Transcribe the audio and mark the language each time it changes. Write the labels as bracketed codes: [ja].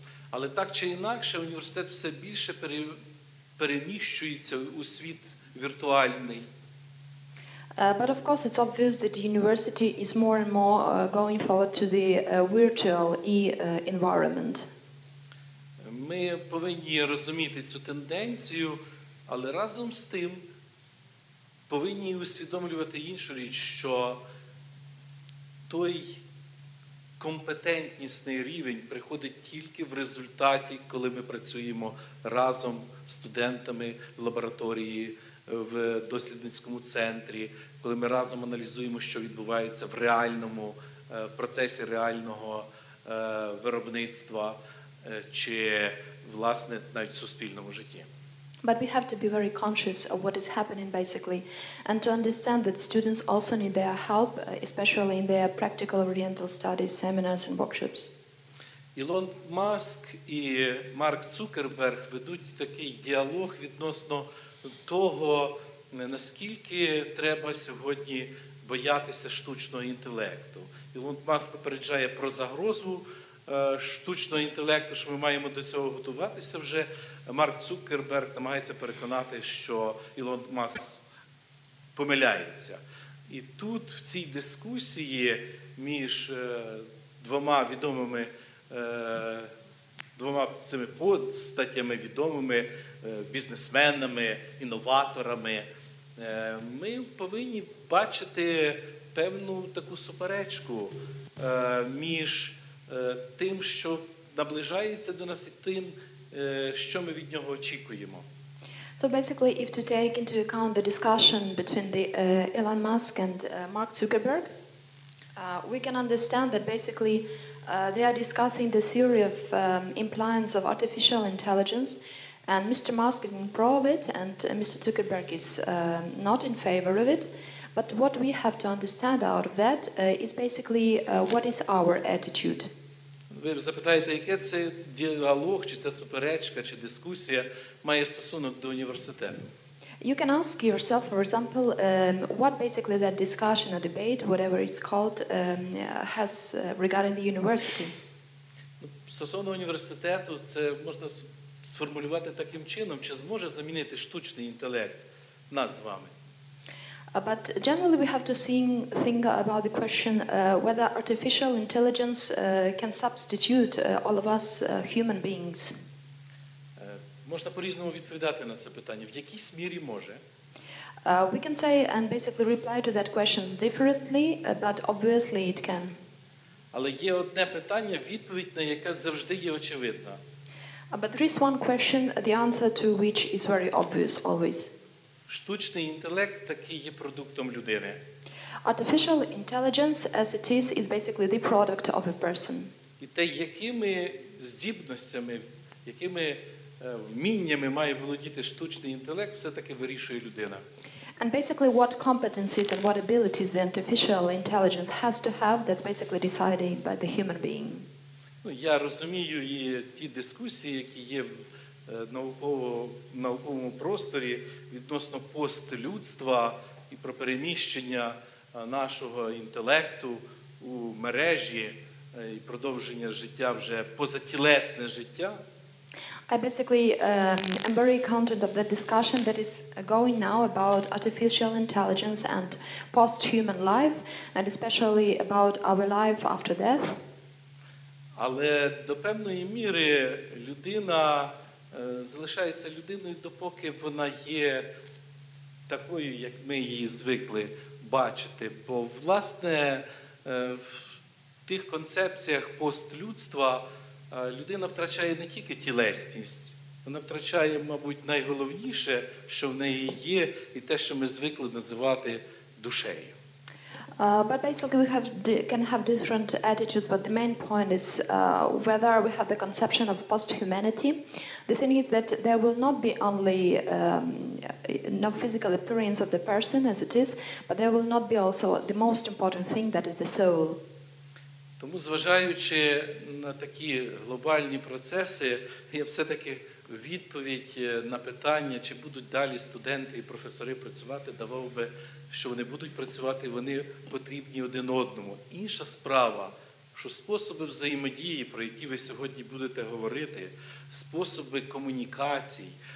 [uk] Але так чи інакше, університет все більше переміщується у світ віртуальний. [en] But of course it's obvious that the university is more and more going forward to the virtual e-environment. [uk] Ми повинні розуміти цю тенденцію, але разом з тим повинні усвідомлювати іншу річ, що той компетентнісний рівень приходить тільки в результаті, коли ми працюємо разом з студентами в лабораторії, в дослідницькому центрі, коли ми разом аналізуємо, що відбувається в реальному, в процесі реального виробництва чи, власне, навіть в суспільному житті. [en] But we have to be very conscious of what is happening basically, and to understand that students also need their help, especially in their practical oriental studies, seminars and workshops. [uk] Ілон Маск і Марк Цукерберг ведуть такий діалог відносно того, наскільки треба сьогодні боятися штучного інтелекту. Ілон Маск попереджає про загрозу штучного інтелекту, що ми маємо до цього готуватися вже. Марк Цукерберг намагається переконати, що Ілон Маск помиляється. І тут в цій дискусії між двома цими постатями, відомими бізнесменами, інноваторами, ми повинні бачити певну таку суперечку між тим, що наближається до нас, і тим, що ми від нього очікуємо. [en] So basically, if to take into account the discussion between the Elon Musk and Mark Zuckerberg, we can understand that basically they are discussing the theory of implants of artificial intelligence, and Mr. Musk is in pro of it, and Mr. Zuckerberg is not in favor of it. But what we have to understand out of that is basically what is our attitude. [uk] В ви запитаєте, яке це діалог, чи це суперечка, чи дискусія має стосунок до університету. [en] You can ask yourself, for example, what basically that discussion or debate, whatever it's called, has regarding the university. [uk] Стосовно університету, це можна сформулювати таким чином, чи зможе замінити штучний інтелект нас з вами? [en] But generally we have to think about the question whether artificial intelligence can substitute all of us human beings. [uk] Можна по-різному відповідати на це питання. В якійсь мірі може? [en] We can say and basically reply to that question differently, but obviously it can. [uk] Але є одне питання, відповідь на яке завжди є очевидна. [en] But there is one question, the answer to which is very obvious always. [uk] Штучний інтелект таки є продуктом людини. [en] Artificial intelligence, as it is basically the product of a person. [uk] І те, якими здібностями, якими вміннями має володіти штучний інтелект, все-таки вирішує людина. [en] And basically what competencies and what abilities the artificial intelligence has to have, that's basically decided by the human being. [uk] Ну, я розумію і ті дискусії, які є в науковому просторі відносно постлюдства і про переміщення нашого інтелекту у мережі і продовження життя вже позатілесне життя. [en] I basically am very content of the discussion that is going now about artificial intelligence and post-human life, and especially about our life after death. [uk] Але до певної міри людина залишається людиною, допоки вона є такою, як ми її звикли бачити. Бо, власне, в тих концепціях постлюдства людина втрачає не тільки тілесність, вона втрачає, мабуть, найголовніше, що в неї є, і те, що ми звикли називати душею. [en] But basically we have can have different attitudes, but the main point is whether we have the conception of post-humanity. The thing is that there will not be only no physical appearance of the person as it is, but there will not be also the most important thing, that is the soul. [uk] Тому, зважаючи на такі глобальні процеси, я все-таки відповідь на питання, чи будуть далі студенти і професори працювати, давав би, що вони будуть працювати, вони потрібні один одному. Інша справа, що способи взаємодії, про які ви сьогодні будете говорити, способи комунікацій